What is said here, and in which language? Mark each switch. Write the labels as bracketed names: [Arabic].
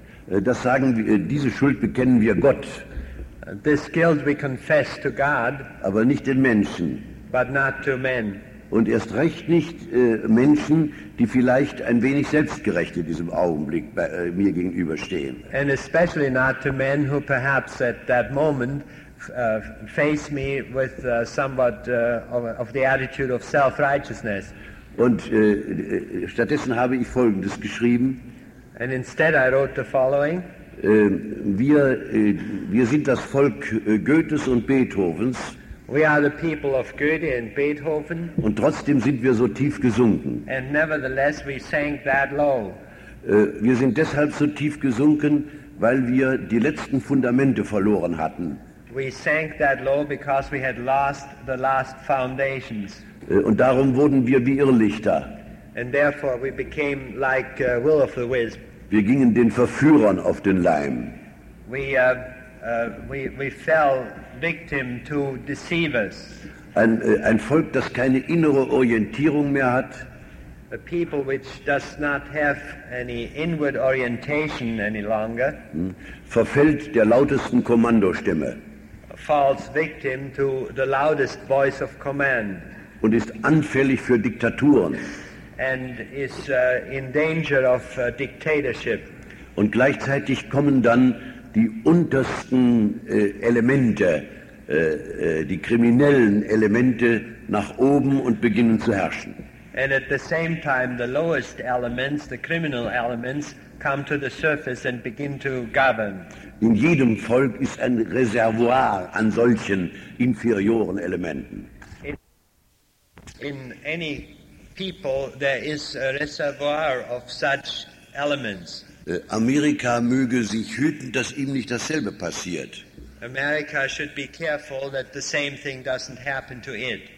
[German] Das sagen wir, diese Schuld bekennen wir Gott. [English] This guilt we confess to God. [German] Aber nicht den Menschen. [English] But not to men. [German] Und erst recht nicht Menschen, die vielleicht ein wenig selbstgerecht in diesem Augenblick bei, mir gegenüberstehen. [English] And especially not to men who perhaps at that moment face me with somewhat of the attitude of self-righteousness. [German] Und stattdessen habe ich Folgendes geschrieben. [English] And instead I wrote the following. [German] Wir sind das Volk Goethes und Beethovens. [English] We are the people of Goethe and Beethoven. [German] Und trotzdem sind wir so tief gesunken. [English] And nevertheless we sank that low. [German] Wir sind deshalb so tief gesunken, weil wir die letzten Fundamente verloren hatten. [English] We sank that low because we had lost the last foundations. [German] Und darum wurden wir wie Irrlichter. [English] And therefore we became like Will of the Wisp. [German] Wir gingen den Verführern auf den Leim. [English] We fell victim to deceivers. [German] Ein Volk, das keine innere Orientierung mehr hat. [English] A people which does not have any inward orientation any longer. [German] Verfällt der lautesten Kommandostimme. [English] Falls victim to the loudest voice of command. [German] Und ist anfällig für Diktaturen. [English] And is in danger of dictatorship. [German] Und gleichzeitig kommen dann die untersten Elemente, die kriminellen Elemente nach oben und beginnen zu herrschen. [English] And at the same time the lowest elements, the criminal elements, come to the surface and begin to govern. [German] In jedem Volk ist ein Reservoir an solchen inferioren Elementen. [English] In any people there is a reservoir of such elements. [German] Amerika möge sich hüten, dass ihm nicht dasselbe passiert. [English] America should be careful that the same thing doesn't happen to it.